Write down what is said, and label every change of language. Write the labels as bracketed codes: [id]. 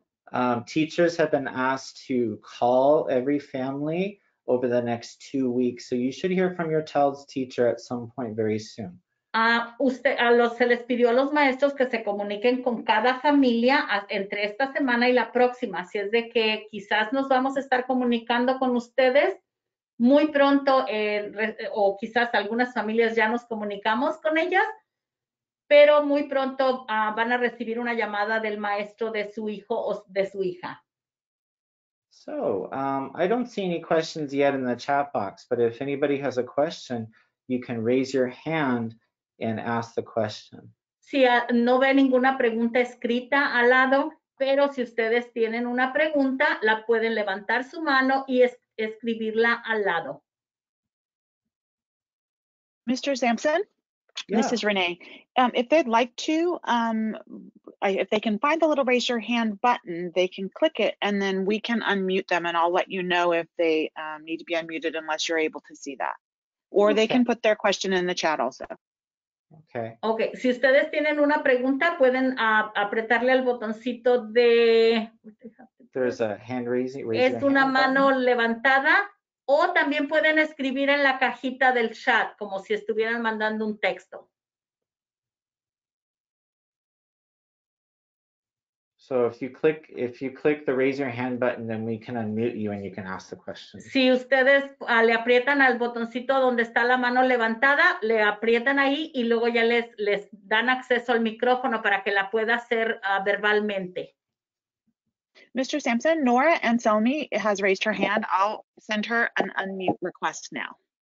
[en] Teachers have been asked to call every family over the next 2 weeks. So you should hear from your child's teacher at some point very soon. [es] Se les pidió a los maestros que se comuniquen con cada familia entre esta semana y la próxima, así es de que quizás nos vamos a estar comunicando con ustedes muy pronto, o quizás algunas familias ya nos comunicamos con ellas, pero muy pronto van a recibir una llamada del maestro de su hijo o de su hija. [en] So, I don't see any questions yet in the chat box, but if anybody has a question, you can raise your hand and ask the question. [es] Sí, no ve ninguna pregunta escrita al lado, pero si ustedes tienen una pregunta, la pueden levantar su mano y escribirla al lado. [en] Mr. Sampson? This is Renee. If they'd like to, if they can find the little raise your hand button, they can click it and then we can unmute them and I'll let you know if they need to be unmuted unless you're able to see that. Or they can put their question in the chat also. Okay. [es] Si ustedes tienen una pregunta, pueden apretarle al botoncito de... [en] There's a hand raising. [es] Es una mano levantada. O también pueden escribir en la cajita del chat, como si estuvieran mandando un texto. [en] So if you click the raise your hand button, then we can unmute you and you can ask the question. [es] Si ustedes le aprietan al botoncito donde está la mano levantada, le aprietan ahí y luego ya les dan acceso al micrófono para que la pueda hacer verbalmente. [en] Mr. Sampson, Nora Anselmi has raised her hand. I'll send her an unmute request now.